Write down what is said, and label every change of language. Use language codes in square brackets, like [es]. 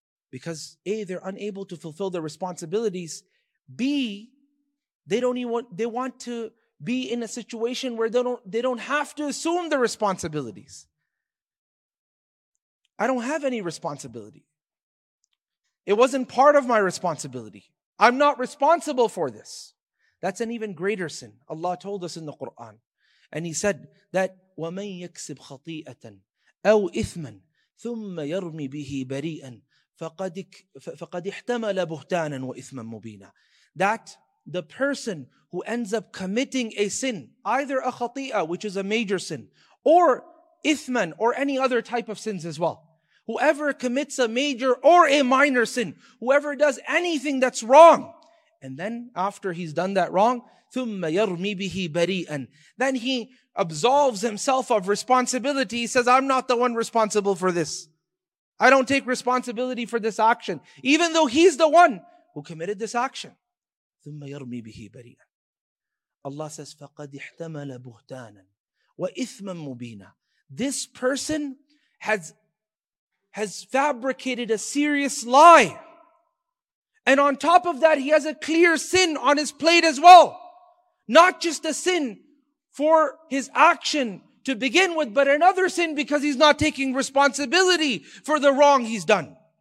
[en] Because A, they're unable to fulfill their responsibilities. B, they want to be in a situation where they don't have to assume the responsibilities. I don't have any responsibility. It wasn't part of my responsibility. I'm not responsible for this. That's an even greater sin. Allah told us in the Quran. And He said that, [ar] وَمَنْ يَكْسِبْ خَطِيئَةً أَوْ إِثْمًا ثُمَّ يَرْمِ بِهِ بَرِيئًا فَقَدْ احْتَمَلَ بُهْتَانًا وَإِثْمًا مُبِينًا. [en] That the person who ends up committing a sin, either a khati'a, which is a major sin, or ithman, or any other type of sins as well. Whoever commits a major or a minor sin, whoever does anything that's wrong, and then after he's done that wrong, [ar] ثُمَّ يَرْمِ بِهِ بَرِيئًا, [en] then he absolves himself of responsibility. He says, I'm not the one responsible for this. I don't take responsibility for this action, even though he's the one who committed this action. [ar] ثُمَّ يَرْمِ بِهِ بَرِيئًا. [en] Allah says, [ar] فَقَدْ احْتَمَلَ بُهْتَانًا وَإِثْمًا مُبِينًا. [en] This person has fabricated a serious lie. And on top of that, he has a clear sin on his plate as well. Not just a sin for his action to begin with, but another sin because he's not taking responsibility for the wrong he's done.